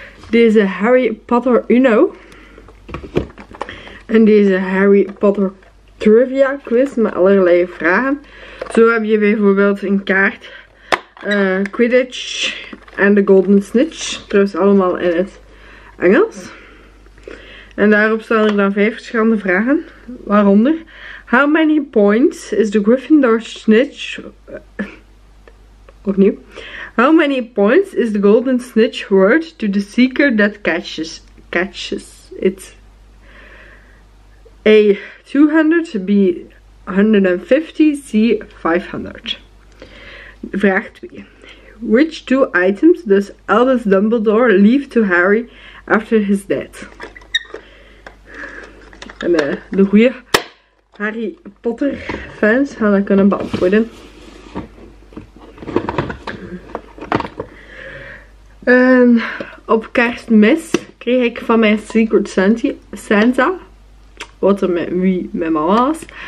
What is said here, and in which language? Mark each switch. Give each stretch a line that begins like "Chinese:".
Dutch: Deze Harry Potter Uno. En deze Harry Potter Trivia Quiz met allerlei vragen. Zo heb je bijvoorbeeld een kaart Quidditch. En de Golden Snitch. Trouwens allemaal in het Engels. En daarop staan er dan 5 verschillende vragen. Waaronder.
English: How many points is the Gryffindor Snitch.
Dutch: Opnieuw.
English: How many points is the Golden Snitch worth to the seeker that catches it? A. 200. B. 150. C. 500.
Dutch: Vraag 2.
English: Which 2 items does Albus Dumbledore leave to Harry after his death?
Dutch: En de goede Harry Potter fans gaan dat kunnen beantwoorden. En op kerstmis kreeg ik van mijn Secret Santa, wie mijn mama was.